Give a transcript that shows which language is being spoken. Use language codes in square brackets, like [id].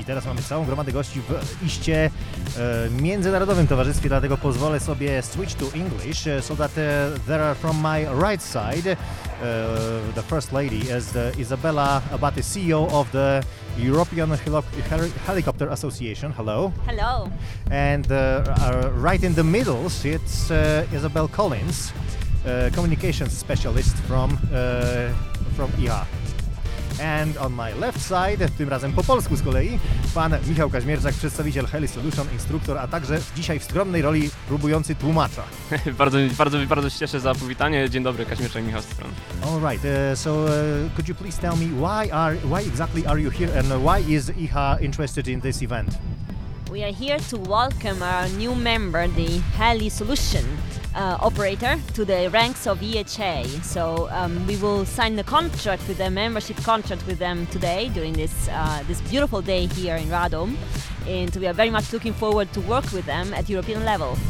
[pl] I teraz mamy całą gromadę gości w iście międzynarodowym towarzystwie, dlatego pozwolę sobie [en] switch to English, so that there are from my right side, the first lady is Isabella Abate, CEO of the European Helicopter Association. Hello. Hello. And right in the middle, it's Isabel Collins, communications specialist from IHA. And on my left side, [pl] tym razem po polsku z kolei, pan Michał Kaźmierczak, przedstawiciel Heli Solution, instruktor, a także dzisiaj w skromnej roli próbujący tłumacza. bardzo się cieszę za powitanie. Dzień dobry, Kaźmierczak, Michał z strony. [en] All right, could you please tell me why exactly are you here and why is IHA interested in this event? We are here to welcome our new member, the Heli Solution operator, to the ranks of EHA. So we will sign the contract with them, membership contract with them today during this this beautiful day here in Radom, and we are very much looking forward to work with them at European level.